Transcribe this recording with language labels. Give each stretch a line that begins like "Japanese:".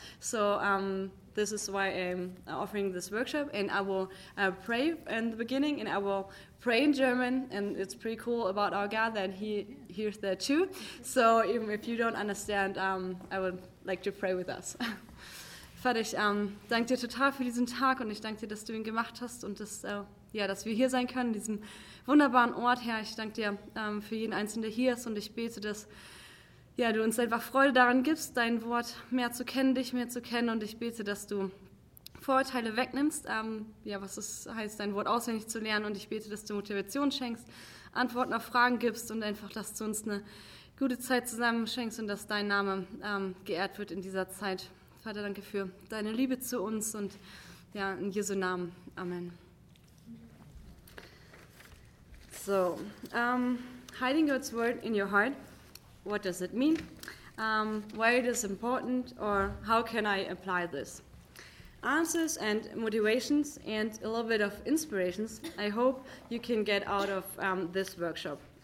English: So this is why I'm offering this workshop, and I will pray in the beginning, and I will pray in German, and it's pretty cool about our God that he hears that too. So even if you don't understand, I would like to pray with us.
German: Vater, ich danke dir total für diesen Tag, und ich danke dir, dass du ihn gemacht hast und dass, ja, dass wir hier sein können, in diesem wunderbaren Ort, Herr. Ich danke dir für jeden Einzelnen, der hier ist, und ich bete, dass ja, du uns einfach Freude daran gibst, dein Wort mehr zu kennen, dich mehr zu kennen, und ich bete, dass du Vorurteile wegnimmst, ja, was es heißt, dein Wort auswendig zu lernen, und ich bete, dass du Motivation schenkst, Antworten auf Fragen gibst und einfach, dass du uns eine gute Zeit zusammen schenkst und dass dein Name geehrt wird in dieser Zeit. Vater, danke für deine Liebe zu uns und ja, in Jesu Namen. Amen.
English: So, hiding God's word in your heart, what does it mean? Why it is important, or how can I apply this? Answers and motivations and a little bit of inspirations I hope you can get out of this workshop.